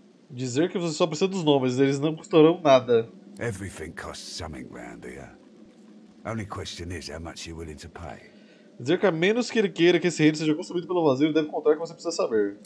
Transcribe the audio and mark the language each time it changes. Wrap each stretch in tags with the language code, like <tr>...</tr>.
<pt>Dizer que você só precisa dos nomes, eles não custarão nada.</pt> <en>Everything costs something around here. Only question is how much you're willing to pay.</en> <pt>Dizer que a menos que ele queira que esse reino seja consumido pelo vazio, ele deve contar que você precisa saber.</pt>